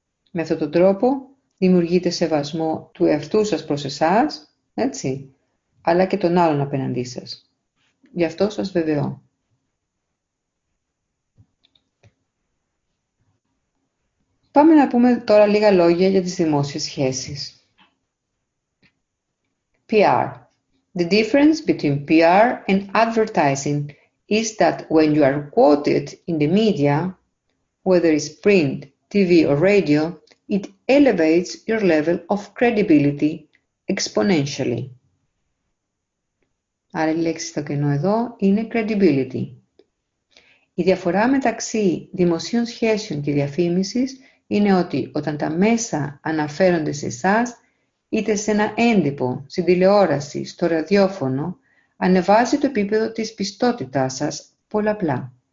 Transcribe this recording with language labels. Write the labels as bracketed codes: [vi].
[el] Με αυτόν τον τρόπο δημιουργείτε σεβασμό του εαυτού σας προς εσάς, έτσι, αλλά και τον άλλον απέναντί σας. Γι' αυτό σας βεβαιώ. Πάμε να πούμε τώρα λίγα λόγια για τις δημόσιες σχέσεις. [en] PR. The difference between PR and advertising is that when you are quoted in the media, whether it's print, TV or radio, it elevates your level of credibility exponentially. [el] Άρα η λέξη στο κενό εδώ είναι credibility. Η διαφορά μεταξύ δημοσίων σχέσεων και διαφήμισης είναι ότι όταν τα μέσα αναφέρονται σε εσάς, είτε σε ένα έντυπο, στην τηλεόραση, στο ραδιόφωνο, ανεβάζει το επίπεδο της πιστότητάς σας πολλαπλά.